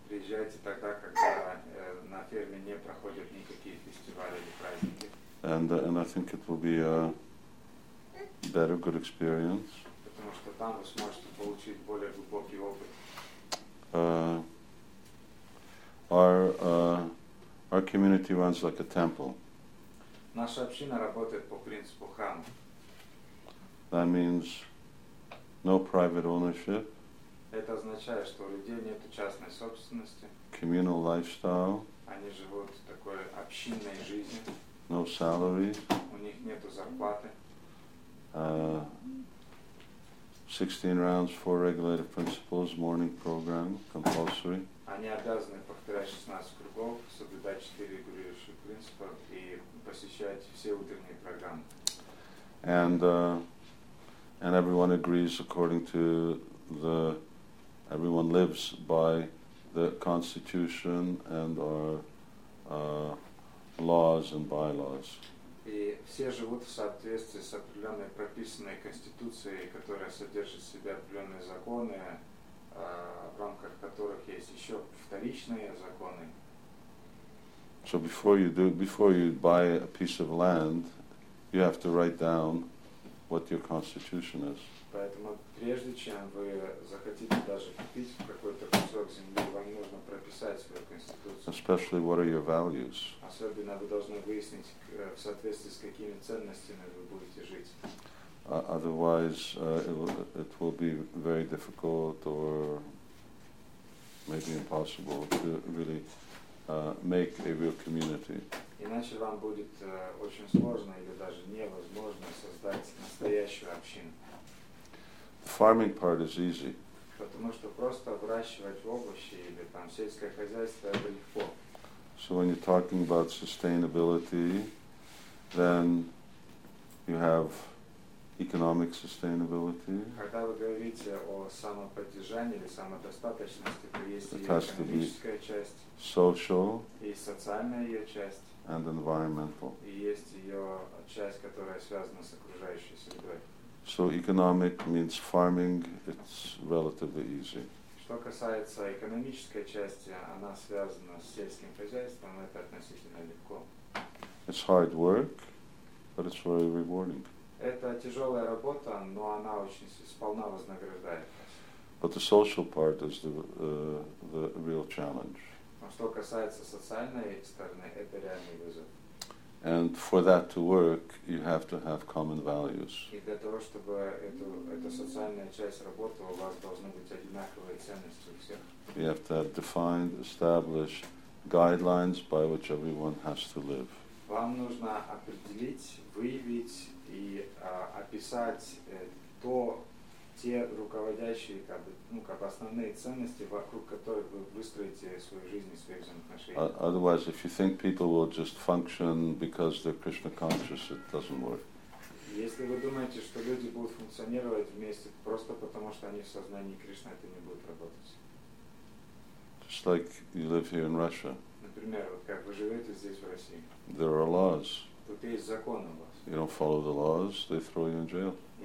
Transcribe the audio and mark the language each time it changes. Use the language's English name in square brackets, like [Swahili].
[Russian] Приезжайте тогда, когда на ферме не проходят никакие фестивали или праздники. [English] And I think it will be a better, good experience. [Russian] Потому что там вы сможете получить более глубокий опыт. [English] Our community runs like a temple. [Russian] Наша община работает по принципу храма. [English] That means no private ownership. [Russian] Это означает, что у людей нет частной собственности. [English] Communal lifestyle. [Russian] Они живут такой общинной жизнью. [English] No salary. [Russian] У них нету зарплаты. [English] 16 rounds, 4 regulated principles, morning program, compulsory. [Russian] Они обязаны повторять 16 кругов, соблюдать 4 регулирующие принципа и посещать все утренние программы. [English] And everyone agrees according to the, everyone lives by the constitution and our laws and bylaws. [Russian] И все живут в соответствии с определенной прописанной конституцией, которая содержит в себе определенные законы, в рамках которых есть еще вторичные законы. [English] So before you buy a piece of land, you have to write down what your constitution is. [Russian] Поэтому прежде чем вы захотите даже купить какой-то кусок земли, вам нужно прописать свою конституцию. [English] Especially what are your values. [Russian] Особенно вы должны выяснить, в соответствии с какими ценностями вы будете жить. [English] Otherwise, it will be very difficult or maybe impossible to really make a real community. [Russian] Иначе вам будет очень сложно или даже невозможно создать настоящую общину. [English] Farming part is easy. [Russian] Потому что просто выращивать овощи или там сельское хозяйство это легко. [English] So when you're talking about sustainability, then you have economic sustainability. [Russian] Когда вы говорите о самоподдержании или самодостаточности, то есть и экономическая часть, [English] social, [Russian] и социальная ее часть, [English] and environmental. [Russian] И есть ее часть, которая связана с окружающей средой. [English] So economic means farming, it's relatively easy. [Russian] Что касается экономической части, она связана с сельским хозяйством, это относительно легко. [English] It's hard work, but it's very rewarding. [Russian] Это тяжелая работа, но она очень сполна вознаграждает. [English] But the social part is the real challenge. [Russian] Но что касается социальной стороны, это реальный вызов. [English] And for that to work, you have to have common values. [Russian] И для того, чтобы эта социальная часть работала, у вас должны быть одинаковые ценности у всех. [English] You have to have defined, established guidelines by which everyone has to live. [Russian] Вам нужно определить, выявить и описать те руководящие, основные ценности, вокруг которых вы выстроите свою жизнь и свои взаимоотношения. [English] Otherwise, if you think people will just function because they're Krishna conscious, it doesn't work. [Russian] Если вы думаете, что люди будут функционировать вместе просто потому, что они в сознании Кришны, это не будет работать. [English] Just like you live here in Russia. [Russian] Например, вот как вы живете здесь, в России. [English] There are laws. You don't follow the laws, they throw you in jail.